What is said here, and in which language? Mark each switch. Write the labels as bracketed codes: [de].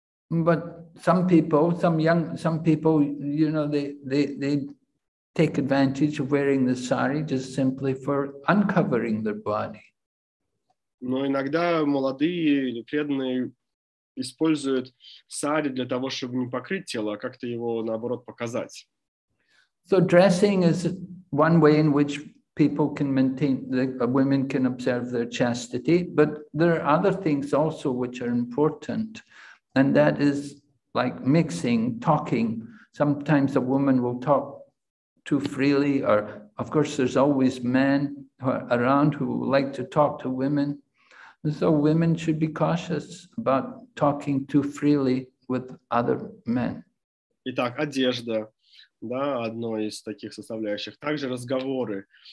[en] But some people, you know, they take advantage of wearing the sari just simply for uncovering their body. [ru] Но иногда молодые или преданные используют сари для того, чтобы не покрыть тело, а как-то его наоборот показать. [en] So dressing is one way in which people can maintain, women can observe their chastity, but there are other things also which are important. And that is like mixing, talking. Sometimes a woman will talk too freely, or of course there's always men around who like to talk to women. And so women should be cautious about talking too freely with other men. [ru] Итак, одежда, да, одно из таких составляющих. Также разговоры.